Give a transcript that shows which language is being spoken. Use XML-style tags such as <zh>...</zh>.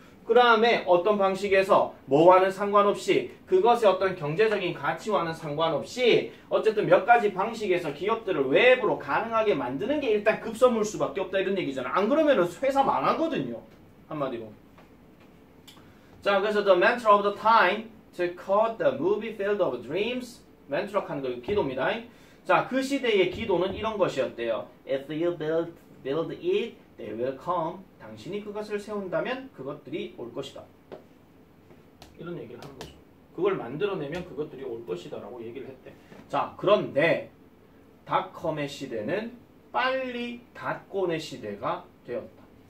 <ko>그 다음에 어떤 방식에서 뭐와는 상관없이 그것의 어떤 경제적인 가치와는 상관없이 어쨌든 몇 가지 방식에서 기업들을 웹으로 가능하게 만드는 게 일단 급선무일 수밖에 없다 이런 얘기잖아. 안 그러면은 회사 망하거든요. 한마디로. 자, 그래서</ko> <en>the mantra of the time to call the movie field of dreams.</en> <ko>mantra 하는 거 기도입니다. 자, 그 시대의 기도는 이런 것이었대요.</ko> <en>If you build it, they will come.</en> <ko>당신이 그것을 세운다면 그것들이 올 것이다. 이런 얘기를 하는 거죠. 그걸 만들어내면 그것들이 올 것이다 라고 얘기를 했대. 자, 그런데 닷컴의 시대는 빨리 닷건의 시대가 되었다.</ko>